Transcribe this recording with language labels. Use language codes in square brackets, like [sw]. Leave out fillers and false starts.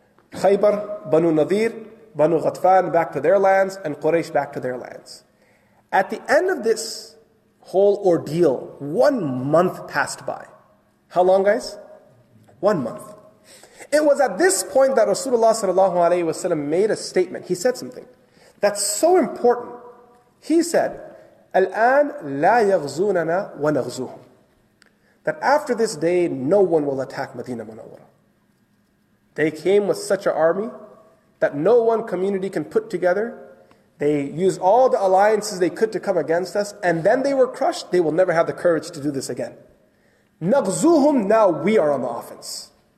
[en] Khaybar, Banu Nadir, Banu Ghatfan back to their lands, and Quraysh back to their lands. At the end of this whole ordeal, 1 month passed by. How long, guys? 1 month. It was at this point that Rasulullah sallallahu alayhi wa sallam made a statement. He said something that's so important. He said, [ar] الآن لا يغزوننا ونغزوهم. [en] That after this day, no one will attack Medina Munawwara. They came with such an army that no one community can put together. They used all the alliances they could to come against us. And then they were crushed. They will never have the courage to do this again. Naghzuhum, now we are on the offense.